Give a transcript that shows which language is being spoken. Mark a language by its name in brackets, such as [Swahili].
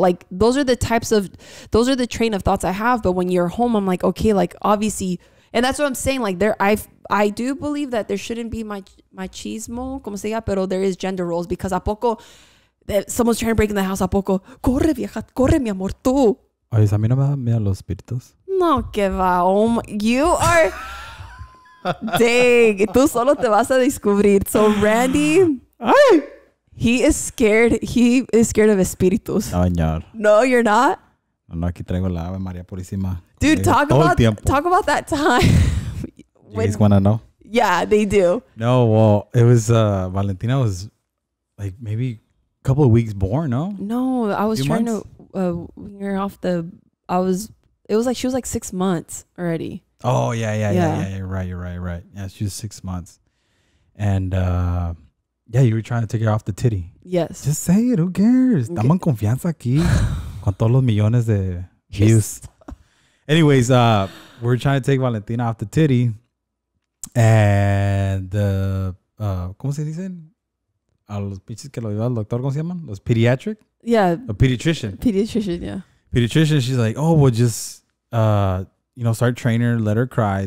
[English] Like, those are the train of thoughts I have. But when you're home, I'm like, okay, like obviously. And that's what I'm saying. Like there, I do believe that there shouldn't be machismo, [Spanish] como se diga, [English] pero there is gender roles. Because [Spanish] a poco... [English] That someone's trying to break in the house, [Spanish] a poco. Corre, vieja. Corre, mi amor, tú. Ay, ¿a mí no me da miedo los espíritus? No, que va. [English] Oh, you are... Dang. [Spanish] Tú solo te vas a descubrir. So, Randy... Ay. [English] He is scared. He is scared of espíritus. [Spanish] No, señor. [English] No, you're not? [Spanish] No, no, aquí traigo la Ave María Purísima. [English] Dude, talk about that time. You guys want to know? Yeah, they do. No, well, it was... Valentina was... Like, maybe... couple of weeks born, no? No, I was trying months? To when you're off the I was it was like she was like 6 months already. Oh yeah. You're right. Yeah, she was 6 months. And yeah, you were trying to take her off the titty. Yes. Just say it, who cares? Okay. [Spanish] Dame en confianza aquí con todos los millones de views. [English] Anyways, we're trying to take Valentina off the titty and the [Spanish] ¿cómo se dice? A los pinches que lo lleva el doctor, ¿cómo se llaman? Los pediatric? [English] Yeah. A pediatrician. Pediatrician, yeah. Pediatrician, she's like, oh, we'll just, you know, start training her, let her cry.